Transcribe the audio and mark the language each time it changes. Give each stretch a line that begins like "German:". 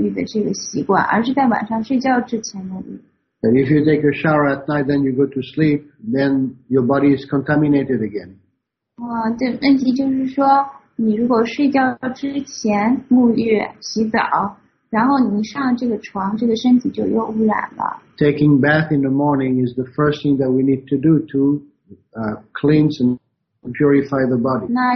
Chinese: 就是在中国或者是在西方，其实就是大多数的人他们没有早上早起沐浴的这个习惯，而是在晚上睡觉之前沐浴。
English: And if you take a shower at night, then you go to sleep, then your body is contaminated again.
Chinese: 对，问题就是说。你如果睡觉之前沐浴洗澡，然后你上这个床，这个身体就又污染了。
English: Taking bath in the morning is the first thing that we need to do to cleanse and purify the body.